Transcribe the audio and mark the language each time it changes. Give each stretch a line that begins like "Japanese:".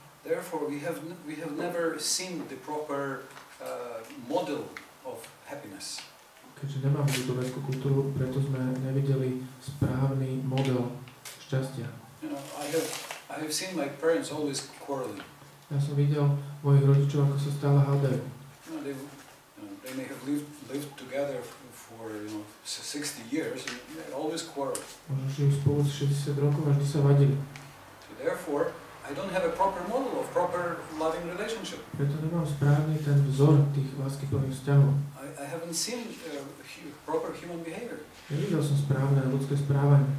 English: Therefore we have never seen the proper model of happiness.
Slovak: Keďže nemáme túto vedskú kultúru, preto sme nevideli správny model šťastia.
English: You know, I have seen my parents always quarreling.
Slovak: Ja som videl mojich rodičov, ako sa stále hádajú.
English: No, they, you know, they may have lived together for, you know, 60 years and they always quarrel.
Slovak: Možno žijú spolu 60 rokov a vždy sa vadili.
English: So therefore, I don't have a proper model of proper loving relationship.
Slovak: Preto nemám správny ten vzor tých láskyplných vzťahov.
English: I haven't seen proper human behavior.
Slovak: Nevidel som správne ľudské správanie.